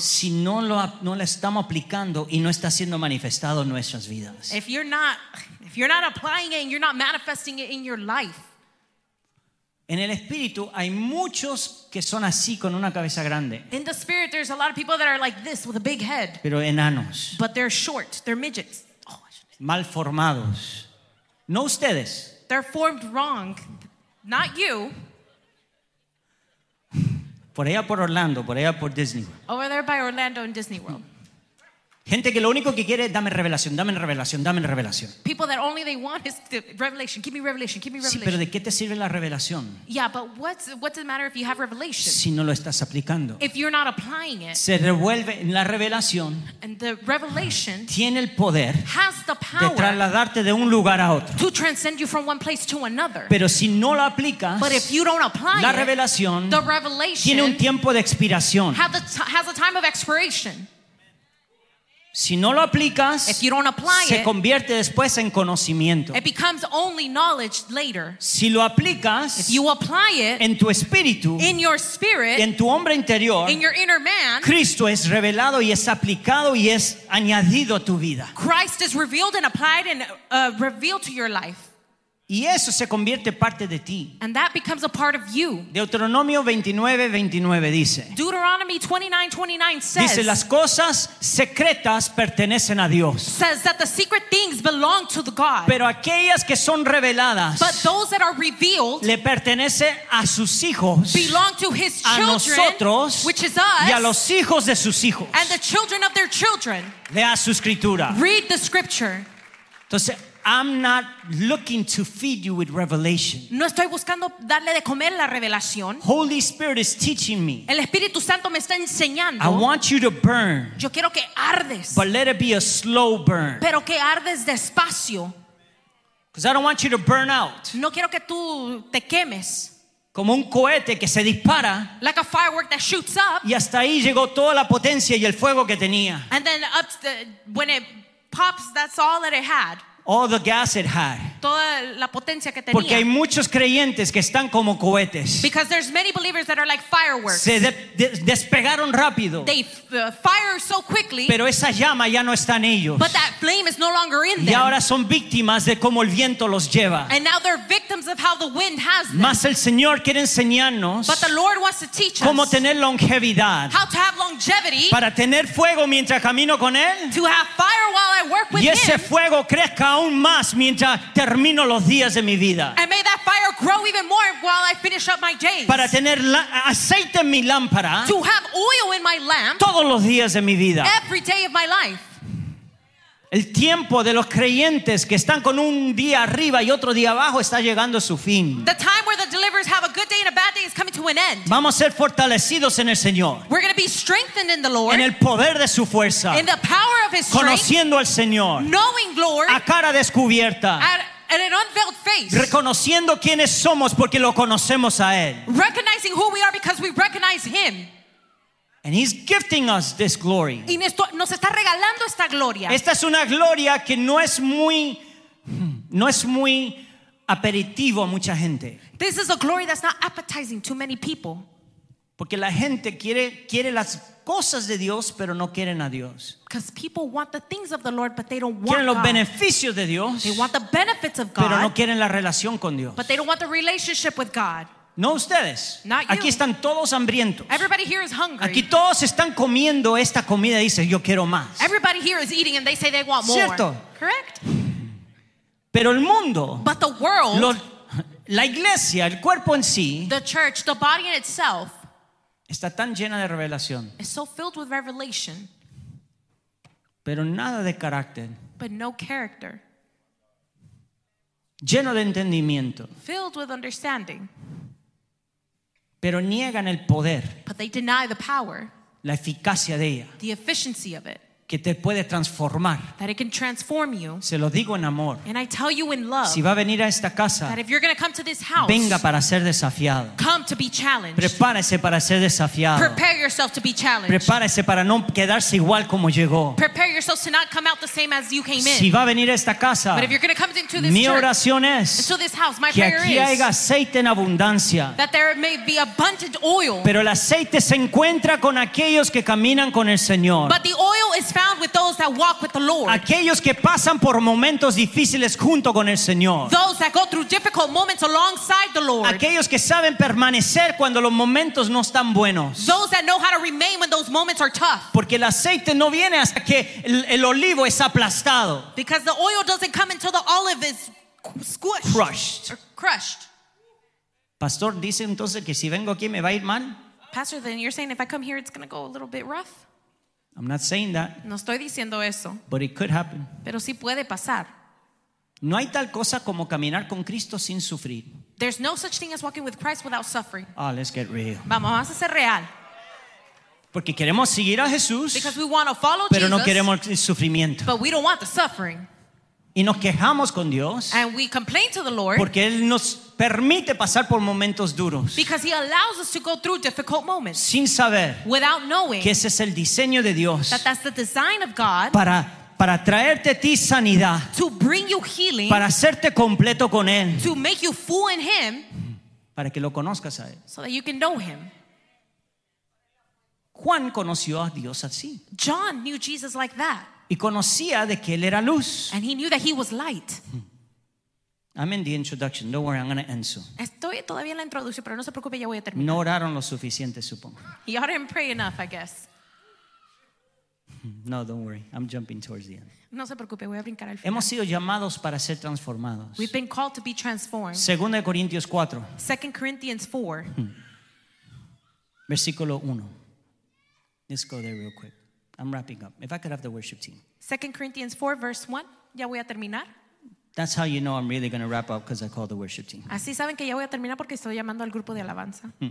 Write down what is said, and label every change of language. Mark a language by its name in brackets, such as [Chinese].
[Spanish] Si no lo estamos aplicando y no está siendo manifestado en nuestras vidas. [English] If you're not applying it and you're not manifesting it in your life. [Spanish] En el espíritu hay muchos que son así con una cabeza grande. [English] In the spirit there's a lot of people that are like this with a big head. [Spanish] Pero enanos. [English] But they're short, they're midgets. [Spanish] Mal formados. No ustedes. [English] They're formed wrong. Not you. [Spanish] Por allá por Orlando, por allá por Disney World. [English] Over there by Orlando and Disney World. [Spanish] Gente que lo único que quiere es dame revelación, dame revelación, dame revelación. [English] People that only they want is the revelation. Give me revelation, give me revelation. [Spanish] Sí, pero ¿de qué te sirve la revelación? [English] Yeah, but what does it matter if you have revelation? [Spanish] Si no lo estás aplicando. [English] If you're not applying it. [Spanish] Se revuelve en la revelación. [English] And the revelation [Spanish] tiene el poder [English] has the power [Spanish] de trasladarte de un lugar a otro. [English] To transcend you from one place to another. [Spanish] Pero si no lo aplicas, [English] but if you don't apply [Spanish] la revelación [English] it, the revelation [Spanish] tiene un tiempo de expiración. [English] Has a time of expiration. [Spanish] Si no lo aplicas, [English] if you don't apply [Spanish] se convierte después en conocimiento. [English] It becomes only knowledge later. [Spanish] Si lo aplicas, [English] if you apply it, [Spanish] en tu espíritu, [English] in your spirit, [Spanish] en tu hombre interior, [English] in your inner man, [Spanish] Cristo es revelado y es aplicado y es añadido a tu vida. [English] Christ is revealed and applied and revealed to your life. [Spanish] Y eso se convierte parte de ti. [English] And that becomes a part of you. [Spanish] Deuteronomio 29:29 dice. [English] Deuteronomy 29:29 says. [Spanish] Dice las cosas secretas pertenecen a Dios. [English] Says that the secret things belong to the God. [Spanish] Pero aquellas que son reveladas. [English] But those that are revealed. [Spanish] Le pertenece a sus hijos. [English] Belong to his children. [Spanish] A nosotros. [English] Which is us. [Spanish] Y a los hijos de sus hijos. [English] And the children of their children. [Spanish] Lea su escritura. [English] Read the scripture. [Spanish] Entonces, [English] I'm not looking to feed you with revelation. [Spanish] No estoy buscando darle de comer la revelación. [English] Holy Spirit is teaching me. [Spanish] El Espíritu Santo me está enseñando. [English] I want you to burn. [Spanish] Yo quiero que ardes. [English] But let it be a slow burn. [Spanish] Pero que ardes despacio. [English] Because I don't want you to burn out. [Spanish] No quiero que tú te quemes. Como un cohete que se dispara. [English] Like a firework that shoots up. [Spanish] Y hasta ahí llegó toda la potencia y el fuego que tenía. [English] And then up to the, when it pops, that's all that it had. All the gas it had. [Spanish] Toda la potencia que tenía. Porque hay muchos creyentes que están como cohetes. [English] Because there's many believers that are like fireworks. [Spanish] Se despegaron rápido. [English] They fire so quickly. [Spanish] Pero esa llama ya no está en ellos. [English] But that flame is no longer in them. [Spanish] Y ahora son víctimas de cómo el viento los lleva. [English] And now they're victims of how the wind has them. [Spanish] Mas el Señor quiere enseñarnos. [English] But the Lord wants to teach us. [Spanish] Cómo tener longevidad. [English] How to have longevity. [Spanish] Para tener fuego mientras camino con él. [English] To have fire while I work with him. [Spanish] Y ese fuego crezca aún más mientras termino los días de mi vida. [English] And may that fire grow even more while I finish up my days. [Spanish] Para tener aceite en mi lámpara. [English] To have oil in my lamp. [Spanish] Todos los días de mi vida. [English] Every day of my life. [Spanish] El tiempo de los creyentes que están con un día arriba y otro día abajo está llegando a su fin. [English] The time where the deliverers have a good day and a bad day is coming to an end. [Spanish] Vamos a ser fortalecidos en el Señor. [English] We're going to be strengthened in the Lord. [Spanish] En el poder de su fuerza. [English] In the power of his strength. [Spanish] Conociendo al Señor. [English] Knowing Lord. [Spanish] A cara descubierta. [English] And an unveiled face. [Spanish] Reconociendo quiénes somos porque lo conocemos a él. [English] Recognizing who we are because we recognize him. And he's gifting us this glory. [Spanish] Y esto, nos está regalando esta gloria. Esta es una gloria que no es muy aperitivo a mucha gente. [English] This is a glory that's not appetizing to many people. [Spanish] Porque la gente quiere las cosas de Dios, pero no quieren a Dios. [English] Because people want the things of the Lord, but they don't want God. [Spanish] Quieren los beneficios de Dios. [English] They want the benefits of God. [Spanish] Pero no quieren la relación con Dios. [English] But they don't want the relationship with God. [Spanish] No ustedes. [English] Not you. [Spanish] Aquí están todos hambrientos. [English] Everybody here is hungry. [Spanish] Aquí todos están comiendo esta comida y dicen yo quiero más. [English] Everybody here is eating and they say they want more. [Spanish] Cierto. [English] Correct. [Spanish] Pero el mundo. [English] But the world. [Spanish] La iglesia, el cuerpo en sí. [English] The church, the body in itself. [Spanish] Está tan llena de revelación. [English] Is so filled with revelation. [Spanish] Pero nada de carácter. [English] But no character. [Spanish] Lleno de entendimiento. [English] Filled with understanding. [Spanish] Pero niegan el poder. [English] But they deny the power. [Spanish] La eficacia de ella. [English] The efficiency of it. [Spanish] Que te puede transformar. [English] That it can transform you. [Spanish] Se lo digo en amor. [English] And I tell you in love. [Spanish] Si va a venir a esta casa. [English] That if you're going to come to this house. [Spanish] Venga para ser desafiado. [English] Come to be challenged. [Spanish] Prepárese para ser desafiado. [English] Prepare yourself to be challenged. [Spanish] Prepárese para no quedarse igual como llegó. [English] Prepare yourself to not come out the same as you came in. [Spanish] Si va a venir a esta casa. [English] But if you're going to come into this [Spanish] mi oración [English] church, [Spanish] es [English] to this house, my [Spanish] que aquí [English] is, [Spanish] haya aceite en abundancia. [English] That there may be abundant oil. [Spanish] Pero el aceite se encuentra con aquellos que caminan con el Señor. [English] But the oil is found with those that walk with the Lord. [Spanish] Aquellos que pasan por momentos difíciles junto con el Señor. [English] Those that go through difficult moments alongside the Lord. [Spanish] Aquellos que saben permanecer cuando los momentos no están buenos. [English] Those that know how to remain when those moments are tough. [Spanish] Porque el aceite no viene hasta que el olivo es aplastado. [English] Because the oil doesn't come until the olive is squished. Crushed. Or crushed. [Spanish] Pastor, dice entonces que si vengo aquí me va a ir mal? [English] Pastor, then you're saying if I come here it's going to go a little bit rough? I'm not saying that. [Spanish] No estoy diciendo eso. [English] But it could happen. [Spanish] Pero sí puede pasar. No hay tal cosa como caminar con Cristo sin sufrir. [English] There's no such thing as walking with Christ without suffering. Oh, let's get real. [Spanish] Vamos a ser real. Porque queremos seguir a Jesús. [English] Because we want to follow [Spanish] pero Pero no queremos el sufrimiento. [English] But we don't want the suffering. [Spanish] Y nos quejamos con Dios. [English] And we complain to the Lord. [Spanish] Porque Él nos permite pasar por momentos duros. [English] Because he allows us to go through difficult moments. [Spanish] Sin saber. [English] Without knowing. [Spanish] Que ese es el diseño de Dios. [English] That that's the design of God. [Spanish] Para traerte a ti sanidad. [English] To bring you healing. [Spanish] Para hacerte completo con Él. [English] To make you full in him. [Spanish] Para que lo conozcas a Él. [English] So that you can know him. [Spanish] Juan conoció a Dios así. [English] John knew Jesus like that. [Spanish] Y conocía de que él era luz. [English] And he knew that he was light. I'm in the introduction. Don't worry, I'm going to end soon. [Spanish] Estoy todavía en la introducción, pero no se preocupe, ya voy a terminar. No oraron lo suficiente, supongo. [English] Y'all didn't pray enough, I guess. No, don't worry. I'm jumping towards the end. [Spanish] No se preocupe, voy a brincar al final. Hemos sido llamados para ser transformados. [English] We've been called to be transformed. [Spanish] 2 Corintios 4. [English] 2 Corinthians 4. [Spanish] Versículo 1. [English] Let's go there real quick. I'm wrapping up. If I could have the worship team. 2 Corinthians 4, verse 1. [Spanish] Ya voy a terminar. [English] That's how you know I'm really going to wrap up because I called the worship team. [Spanish] Así saben que ya voy a terminar porque estoy llamando al grupo de alabanza.